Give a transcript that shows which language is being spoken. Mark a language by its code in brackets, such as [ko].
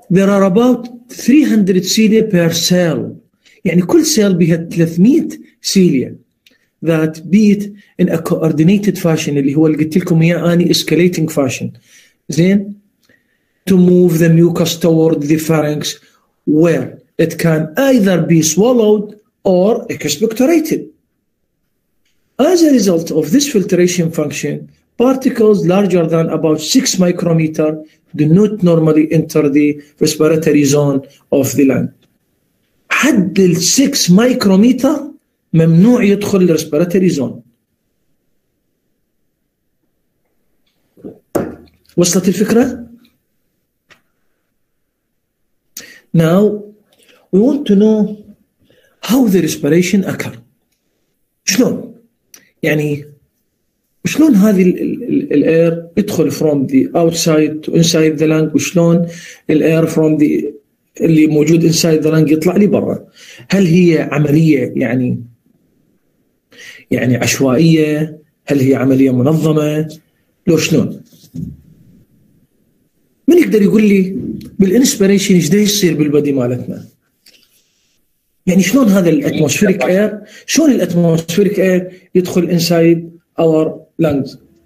[en] There are about 300 cilia per cell. [ar] يعني كل سيل بها 300 سيليا [en] that beat in a coordinated fashion [ar] اللي هو اللي قلت لكم هي أني escalating fashion. زين [en] to move the mucus toward the pharynx where it can either be swallowed or expectorated. As a result of this filtration function, particles larger than about 6 micrometer do not normally enter the respiratory zone of the lung. [ar] حد ال 6 ميكروميتر ممنوع يدخل الريسبيراتوري زون. وصلت الفكره؟ [en] Now we want to know how the respiration occur. [ar] شلون؟ يعني شلون هذه الاير يدخل [en] from the outside to inside the lung، [ar] وشلون الاير from the اللي موجود inside the lung يطلع لي برا. هل هي عملية يعني عشوائية؟ هل هي عملية منظمة؟ لو شلون؟ من يقدر يقول لي بالإنسبيريشن ايش ده يصير بالبدي مالتنا؟ يعني شلون هذا الاتموسفيريك اير، شلون الاتموسفيريك اير يدخل [en] inside our lungs؟